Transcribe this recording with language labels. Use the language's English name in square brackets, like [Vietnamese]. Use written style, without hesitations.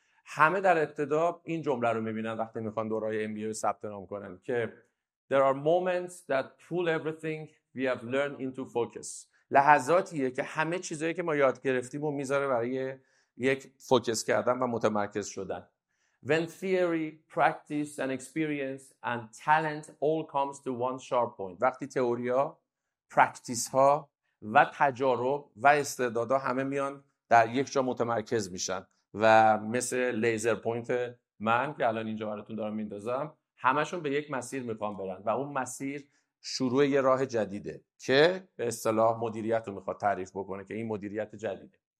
[Persian] همه در ابتدا این جمله رو میبینن وقتی میخوان دوره‌های MBA رو ثبت نام کنن که [English] there are moments that pull everything we have learned into focus. [Persian] لحظاتیه که همه چیزایی که ما یاد گرفتیم و میذاره برای یک فوکس کردن و متمرکز شدن. [English] When theory, practice and experience and talent all comes to one sharp point. [Persian] وقتی تئوریا، پرکتیس ها و تجارب و استعدادها همه میان در یک جا متمرکز میشن و مثل لیزر پوینت من که الان اینجا براتون دارم میندازم، همشون به یک مسیر میخوان برن و اون مسیر شروع یه راه جدیده که به اصطلاح مدیریت رو میخواد تعریف بکنه که این مدیریت جدیده.